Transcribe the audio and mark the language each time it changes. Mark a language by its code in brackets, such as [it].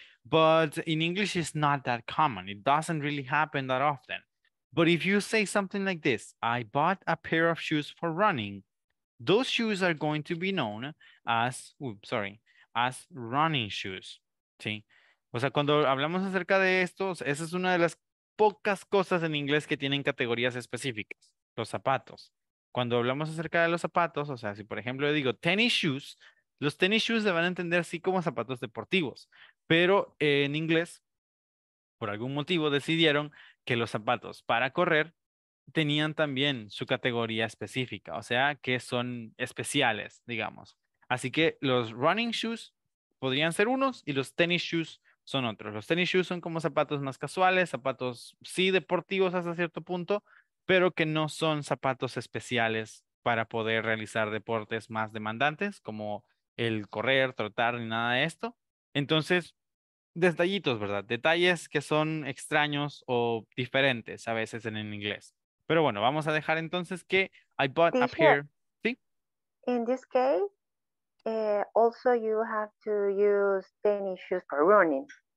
[en] But in English, it's not that common. It doesn't really happen that often. But if you say something like this, I bought a pair of shoes for running, those shoes are going to be known as running shoes. See? [es] O sea, cuando hablamos acerca de estos, esa es una de las pocas cosas en inglés que tienen categorías específicas, los zapatos. Cuando hablamos acerca de los zapatos, o sea, si por ejemplo yo digo tennis shoes, los tennis shoes se van a entender así como zapatos deportivos, pero en inglés, por algún motivo, decidieron que los zapatos para correr tenían también su categoría específica, o sea, que son especiales, digamos. Así que los running shoes podrían ser unos y los tennis shoes son otros. Los tennis shoes son como zapatos más casuales, zapatos sí deportivos hasta cierto punto, pero que no son zapatos especiales para poder realizar deportes más demandantes, como el correr, trotar, ni nada de esto. Entonces, detallitos, ¿verdad? Detalles que son extraños o diferentes a veces en el inglés. Pero bueno, vamos a dejar entonces que [en] I bought up here. [es] ¿Sí? [en] In this case, also you have to use tennis shoes for running.